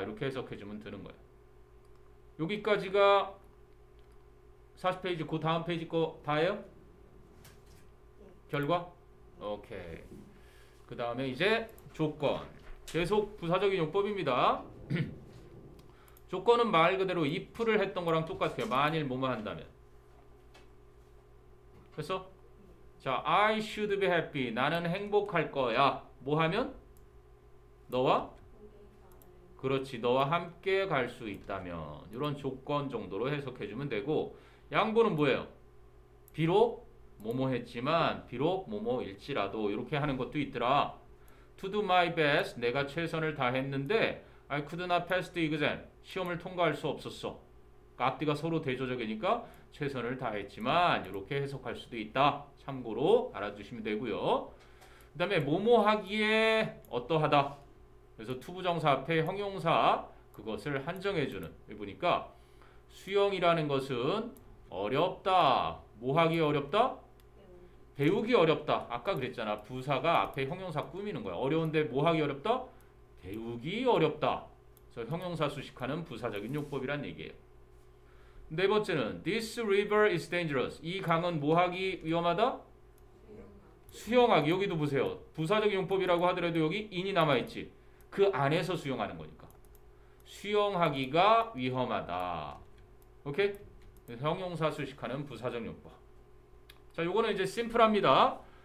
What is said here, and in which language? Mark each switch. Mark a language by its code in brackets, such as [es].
[ko] 이렇게 해석해주면 되는 거야. 여기까지가 40페이지, 그 다음 페이지 거 다예요? 결과? 오케이. 그 다음에 이제 조건. 계속 부사적인 용법입니다. 조건은 말 그대로 if를 했던 거랑 똑같아요. 만일 뭐뭐 한다면. [en] 그래서 자, I should be happy. [ko] 나는 행복할 거야. 뭐 하면? 너와? 그렇지. 너와 함께 갈수 있다면. 이런 조건 정도로 해석해주면 되고. 양보는 뭐예요? 비록 뭐뭐 했지만, 비록 뭐뭐일지라도 이렇게 하는 것도 있더라. [en] To do my best. 내가 최선을 다했는데, I could not pass the exam. [ko] 시험을 통과할 수 없었어. 앞뒤가 서로 대조적이니까 최선을 다했지만 이렇게 해석할 수도 있다. 참고로 알아주시면 되고요. 그 다음에 뭐뭐 하기에 어떠하다. 그래서 투부정사 앞에 형용사 그것을 한정해주는. 여기 보니까 수영이라는 것은 어렵다. 뭐 하기 어렵다? 배우기 어렵다. 아까 그랬잖아. 부사가 앞에 형용사 꾸미는 거야. 어려운데 뭐 하기 어렵다? 배우기 어렵다. 그래서 형용사 수식하는 부사적인 용법이란 얘기예요. [en] 네 번째는 This river is dangerous. [ko] 이 강은 뭐 하기 위험하다? 수영하기. 여기도 보세요. 부사적 용법이라고 하더라도 여기 in이 남아있지. 그 안에서 수영하는 거니까. 수영하기가 위험하다. 오케이? 형용사 수식하는 부사적 용법. 자, 요거는 이제 심플합니다.